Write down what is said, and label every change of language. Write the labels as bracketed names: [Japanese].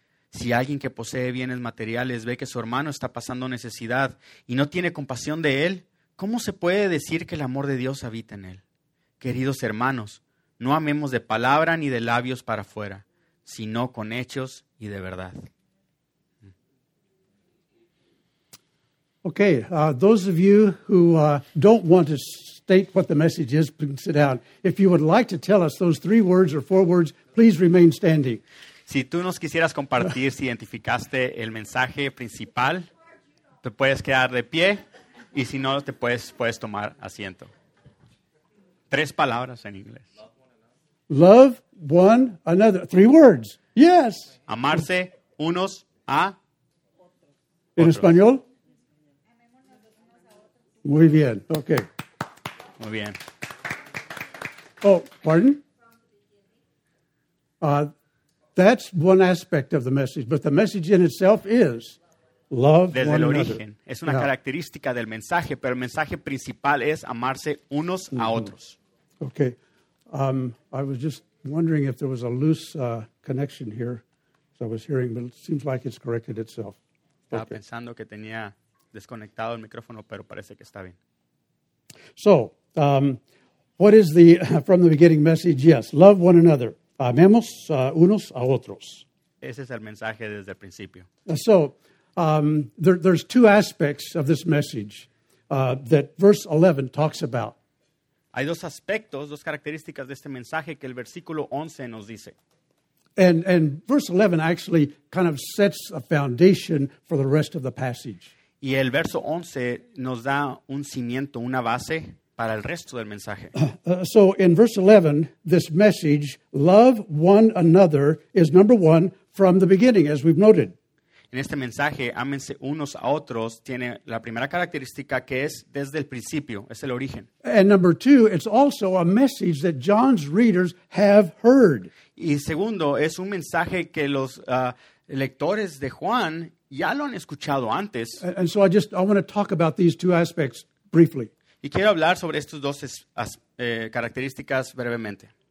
[Spanish] Si alguien que posee bienes materiales ve que su hermano está pasando necesidad y no tiene compasión de él, ¿cómo se puede decir que el amor de Dios habita en él? Queridos hermanos, no amemos de palabra ni de labios para afuera, sino con hechos y de verdad. [English] Okay, those of you who don't want to state what the message is, please sit down. If you would like to tell us those three words or four words, please remain standing. [Spanish] Si tú nos quisieras compartir si identificaste el mensaje principal, te puedes quedar de pie, y si no, te puedes tomar asiento. Tres palabras en inglés. [English] Love one another. Three words. Yes. [Spanish] Amarse unos a otros. En español. Muy bien, okay. Muy bien. [English] Oh, pardon? That's one aspect of the message, but the message in itself is love [Spanish] desde [English] one [Spanish] el origen. [English] Another. [Spanish] Es una característica del mensaje, pero el mensaje principal es amarse unos a otros. [English] Okay. I was just wondering if there was a loose connection here, so I was hearing, but it seems like it's corrected itself. Okay. [Spanish] Estaba pensando que tenía desconectado el micrófono, pero parece que está bien. [English] So, what is the from the beginning message? Yes, love one another. [Spanish] Amemos unos a otros. Ese es el mensaje desde el principio. [English] So, there's two aspects of this message that verse 11 talks about. [Spanish] Hay dos aspectos, dos características de este mensaje que el versículo 11 nos dice. [English] And verse 11 actually kind of sets a foundation for the rest of the passage. [Spanish] Y el verso 11 nos da un cimiento, una base para el resto del mensaje. [English] So in verse 11, this message, love one another, is number one from the beginning, as we've noted. [Spanish] en este mensaje, ámense unos a otros, tiene la primera característica que es desde el principio, es el origen. [English] And number two, it's also a message that John's readers have heard. [Spanish] Y segundo, es un mensaje que los lectores de Juan ya lo han escuchado antes. [English] And so I want to talk about these two aspects briefly. [Spanish] Y quiero hablar sobre estos dos características brevemente.